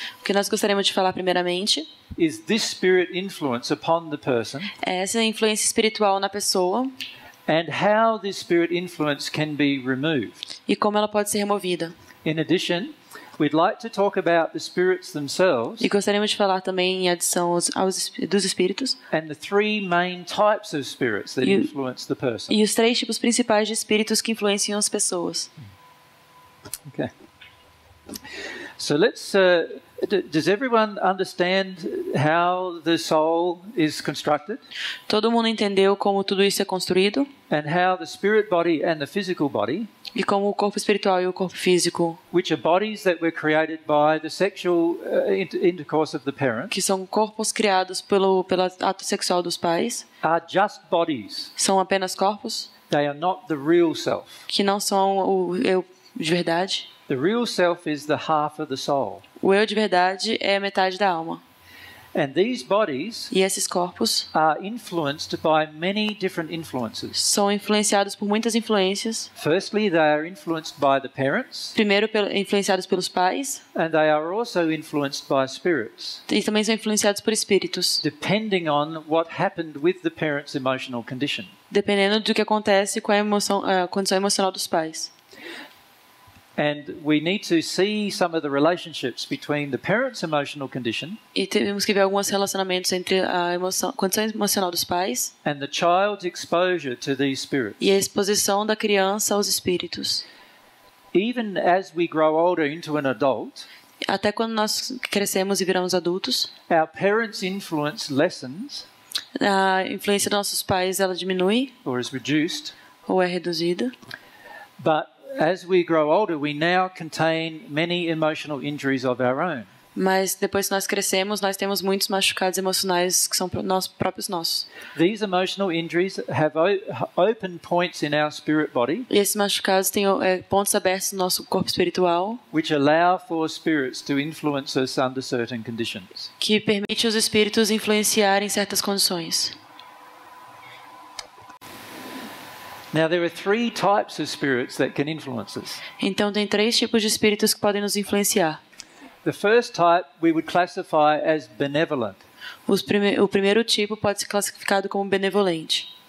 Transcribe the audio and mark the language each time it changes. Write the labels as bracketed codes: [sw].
[pt] o que nós gostaríamos de falar primeiramente, [en] is this spirit influence upon the person, [pt] é essa influência espiritual na pessoa, [en] and how this spirit influence can be removed, [pt] e como ela pode ser removida. [en] In addition, we'd like to talk about the spirits themselves. [pt] E gostaríamos de falar também em adição dos espíritos. [en] And the three main types of spirits that influence the person. [pt] E os três tipos principais de espíritos que influenciam as pessoas. [en] Okay. So let's does everyone understand how the soul is constructed? [pt] Todo mundo entendeu como tudo isso é construído? [en] And how the spirit body and the physical body? [pt] E como o corpo espiritual e o corpo físico? [en] Which are bodies that were created by the sexual intercourse of the parents? [pt] Que são corpos criados pelo ato sexual dos pais? [en] Are just bodies. [pt] São apenas corpos. [en] They are not the real self. [pt] Que não são o eu de verdade. [en] The real self is the half of the soul. [pt] O eu de verdade é a metade da alma. [en] And these bodies [pt] e esses corpos [en] are influenced by many different influences. [pt] São influenciados por muitas influências. [en] Firstly, they are influenced by the parents. [pt] Primeiro, influenciados pelos pais. [en] And they are also influenced by spirits. [pt] E também são influenciados por espíritos. [en] Depending on what happened with the parents' emotional condition. [pt] Dependendo do que acontece com a condição emocional dos pais. [en] And we need to see some of the relationships between the parents' emotional condition. [pt] E temos que ver alguns relacionamentos entre a condição emocional dos pais. [en] And the child's exposure to these spirits. [pt] E a exposição da criança aos espíritos. [en] Even as we grow older into an adult. [pt] Até quando nós crescemos e viramos adultos. [en] Our parents' influence lessens. [pt] A influência dos nossos pais ela diminui. [en] Or is reduced. [pt] Ou é reduzida. [en] But as we grow older, we now contain many emotional injuries of our own. [pt] Mas depois que nós crescemos, nós temos muitos machucados emocionais que são próprios nossos. [en] These emotional injuries have open points in our spirit body. [pt] E esses machucados têm pontos abertos no nosso corpo espiritual. [en] Which allow for spirits to influence us under certain conditions. [pt] Que permite os espíritos influenciarem certas condições. [en] Now there are three types of spirits that can influence us. [pt] Então tem três tipos de espíritos que podem nos influenciar. [en] The first type we would classify as benevolent. [pt] O primeiro tipo pode ser classificado como benevolente.